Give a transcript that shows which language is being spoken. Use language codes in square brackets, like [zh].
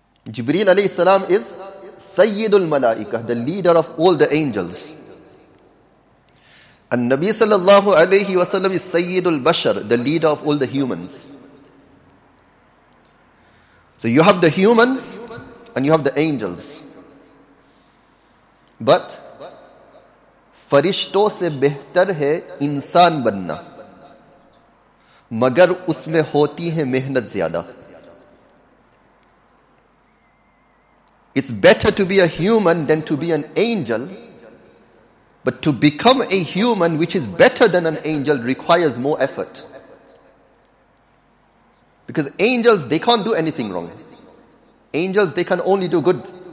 [en] Jibreel alayhi salam is Sayyidul Malaika, the leader of all the angels. And Nabi sallallahu alayhi wa sallam is Sayyidul Bashar, the leader of all the humans. So you have the humans and you have the angels. [ur] But فرشتوں سے بہتر ہے انسان بننا مگر اس میں ہوتی ہے محنت زیادہ. [en] It's better to be a human than to be an angel, but to become a human which is better than an angel requires more effort. Because angels, they can't do anything wrong. Angels, they can only do good.